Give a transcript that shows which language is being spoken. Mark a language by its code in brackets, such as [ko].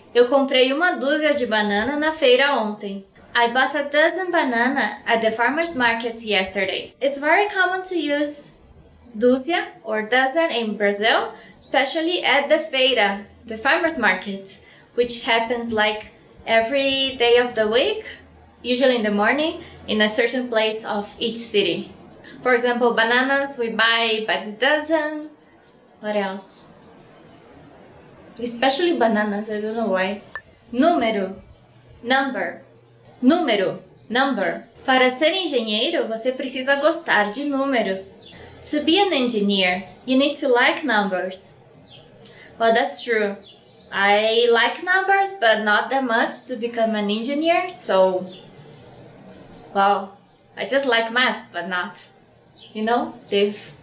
[pt] Eu comprei uma dúzia de banana na feira ontem. [en] I bought a dozen banana at the farmer's market yesterday. It's very common to use dúzia or dozen in Brazil, especially at the feira, the farmer's market, which happens like every day of the week, usually in the morning, in a certain place of each city. For example, bananas we buy by the dozen. What else? Especially bananas, I don't know why. Número. Number. Número. Number. [pt] Para ser engenheiro, você precisa gostar de números. [en] To be an engineer, you need to like numbers. Well, that's true. I like numbers, but not that much to become an engineer, so... Well, I just like math, but not. You know, they've...